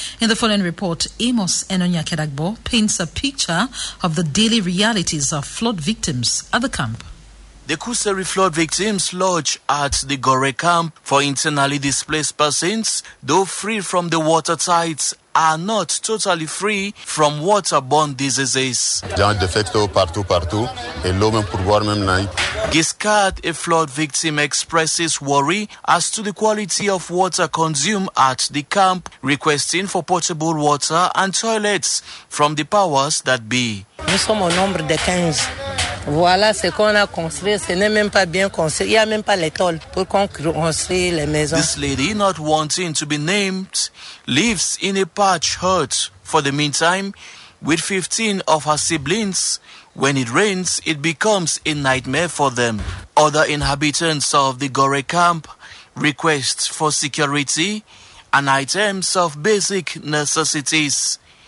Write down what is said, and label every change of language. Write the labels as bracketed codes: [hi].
[en] In the following report, Amos Enonyakedagbo paints a picture of the daily realities of flood victims at the camp. The Kuseri flood victims lodge at the Gore camp for internally displaced persons, though free from the water tides, are not totally free from waterborne diseases. [fr] J'ai un défecto partout, et l'eau même pour boire même n'aille. [en] Giscard, a flood victim, expresses worry as to the quality of water consumed at the camp, requesting for portable water and toilets from the powers that be. [fr] Nous sommes au nombre de 15. Voilà ce qu'on a construit. Ce n'est même pas bien construit. Il n'y a même pas les tôles pour qu'on construise les maisons. [en] This lady, not wanting to be named, lives in a patch hut for the meantime with 15 of her siblings. When it rains, it becomes a nightmare for them. Other inhabitants of the Gore camp request for security and items of basic necessities.